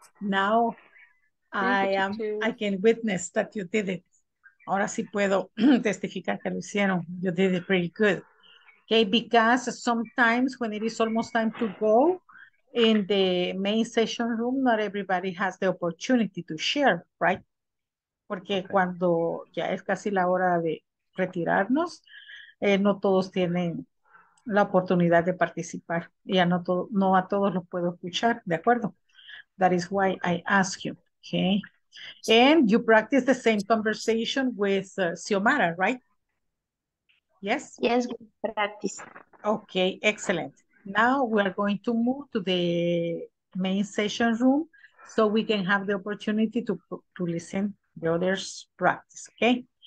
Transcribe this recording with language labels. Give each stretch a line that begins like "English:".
English: Now I can witness that you did it.
Spanish: Ahora sí puedo testificar que lo hicieron.
English: You did it pretty good. Okay, because sometimes when it is almost time to go in the main session room, not everybody has the opportunity to share, right?
Spanish: Porque okay. Cuando ya es casi la hora de retirarnos, no todos tienen la oportunidad de participar. Ya no a todos los puedo escuchar, ¿de acuerdo?
English: That is why I ask you, okay? And you practice the same conversation with Xiomara, right? Yes? Yes, we practice. Okay, excellent. Now we are going to move to the main session room so we can have the opportunity to listen to the others practice, okay?